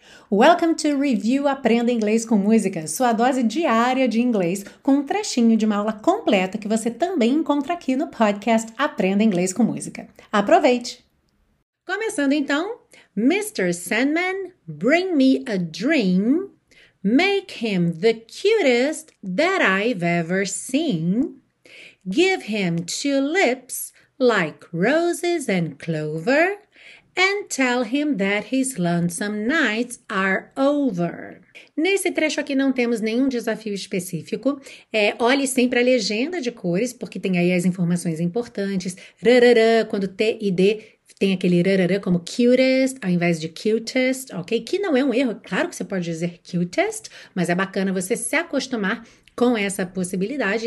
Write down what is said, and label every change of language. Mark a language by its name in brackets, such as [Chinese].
[English] Welcome to [Portuguese] Review Aprenda Inglês com Música, sua dose diária de inglês, com um trechinho de uma aula completa que você também encontra aqui no podcast Aprenda Inglês com Música. Aproveite! Começando então, Mr. [English] Sandman, bring me a dream, make him the cutest that I've ever seen, give him two lips like roses and clover, and tell him that his lonesome nights are over. [Portuguese] Nesse trecho aqui não temos nenhum desafio específico. Olhe sempre a legenda de cores, porque tem aí as informações importantes. Rarará, quando T e D tem aquele rarará como cutest, ao invés de cutest, ok? Que não é um erro, claro que você pode dizer cutest, mas é bacana você se acostumar com essa possibilidade.